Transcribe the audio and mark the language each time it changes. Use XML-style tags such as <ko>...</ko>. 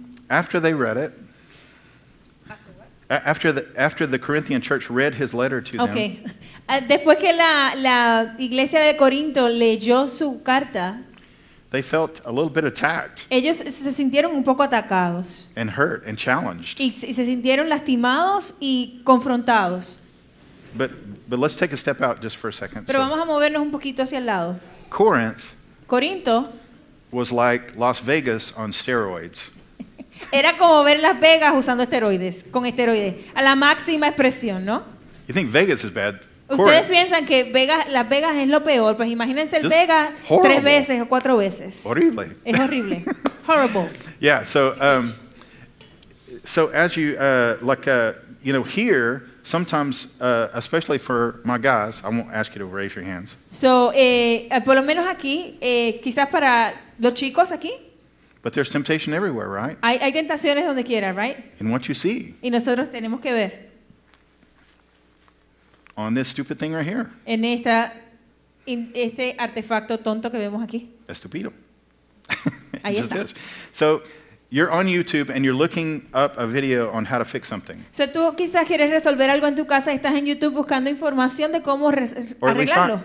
<en>after they read it, After the Corinthian church read his letter to them. Okay.</en> <es>Después que la iglesia de Corinto leyó su carta,</es> <en>they felt a little bit attacked.</en> <es>Ellos se sintieron un poco atacados.</es> <en>And hurt and challenged.</en> <es>Y se sintieron lastimados y confrontados.</es> <en>But let's take a step out just for a second.</en> <es>Pero vamos a movernos un poquito hacia el lado.</es> <en>Corinth.</en> <es>Corinto.</es> <en>Was like Las Vegas on steroids.</en> <es>Era como ver Las Vegas usando esteroides, con esteroides, a la máxima expresión, ¿no?</es> <en>You think Vegas is bad?</en> <es>Ustedes piensan que Vegas, Las Vegas es lo peor, pues imagínense el Vegas</es> <en>horrible.</en> <es>Tres veces o cuatro veces.</es> <en>Horrible.</en> <es>Es horrible. Horrible.</es> <en>Yeah. So, so as you like, you know, here. Sometimes, especially for my guys, I won't ask you to raise your hands.</en> <es>So, por lo menos aquí, quizás para los chicos aquí.</es> <en>But there's temptation everywhere, right?</en> <es>Hay tentaciones donde quiera,</es> <en>right? In what you see.</en> <es>Y nosotros tenemos que ver.</es> <en>On this stupid thing right here.</en> <es>En esta, en este artefacto tonto que vemos aquí. Estúpido. Ahí está.</es> <en>Just so. You're on YouTube and you're looking up a video on how to fix something.</en> <es>So tú quizás quieres resolver algo en tu casa, estás en YouTube buscando información de cómo arreglarlo.</es>